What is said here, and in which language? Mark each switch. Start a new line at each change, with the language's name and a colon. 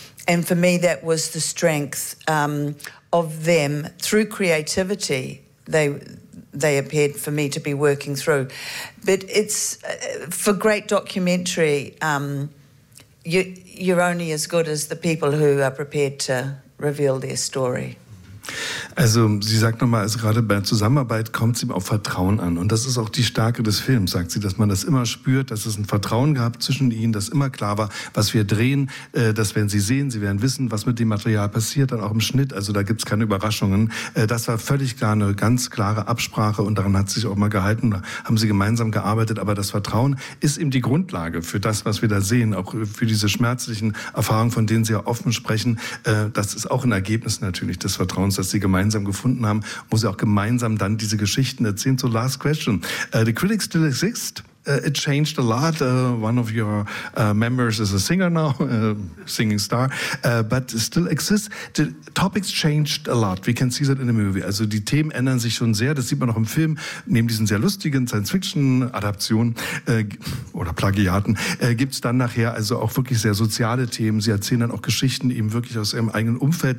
English: And for me, that was the strength of them through creativity they appeared for me to be working through. But it's for great documentary, you're only as good as the people who are prepared to reveal their story.
German: Also sie sagt nochmal, also gerade bei Zusammenarbeit kommt es ihm auf Vertrauen an. Und das ist auch die Stärke des Films, sagt sie, dass man das immer spürt, dass es ein Vertrauen gab zwischen ihnen, dass immer klar war, was wir drehen, das werden sie sehen, sie werden wissen, was mit dem Material passiert, dann auch im Schnitt. Also da gibt es keine Überraschungen. Das war völlig klar eine ganz klare Absprache und daran hat sich auch mal gehalten, da haben sie gemeinsam gearbeitet. Aber das Vertrauen ist eben die Grundlage für das, was wir da sehen, auch für diese schmerzlichen Erfahrungen, von denen sie ja offen sprechen. Das ist auch ein Ergebnis natürlich des Vertrauens, dass sie gemeinsam gefunden haben, wo sie auch gemeinsam dann diese Geschichten erzählen.
English: So, last question. The critics still exist. It changed a lot. One of your members is a singer now, singing star, but still exists. The topics changed a lot. We can see that in the movie.
German: Also die Themen ändern sich schon sehr. Das sieht man auch im Film. Neben diesen sehr lustigen Science-Fiction-Adaptionen oder Plagiaten gibt es dann nachher also auch wirklich sehr soziale Themen. Sie erzählen dann auch Geschichten eben wirklich aus ihrem eigenen Umfeld.